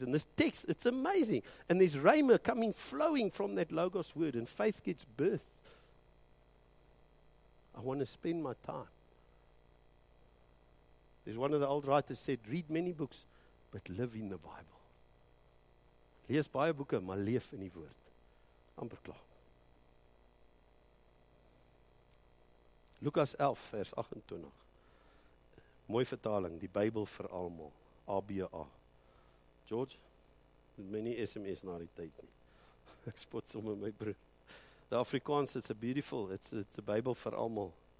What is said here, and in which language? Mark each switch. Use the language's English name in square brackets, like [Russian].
[English] And this text, it's amazing. And there's rhema coming, flowing from that Logos word, and faith gets birth. I want to spend my time. There's one of the old writers said, read many books, but live in the Bible. [Afrikaans] Lees baie boeke, maar leef in die woord. Amper klaar. Lukas 11 vers 28. Mooi vertaling, die Bybel vir almal. ABA. George, met my nie SMS na die tyd nie. Ek spot sommer my broer. [English] The Afrikaans, it's a beautiful, it's a Bybel vir almal.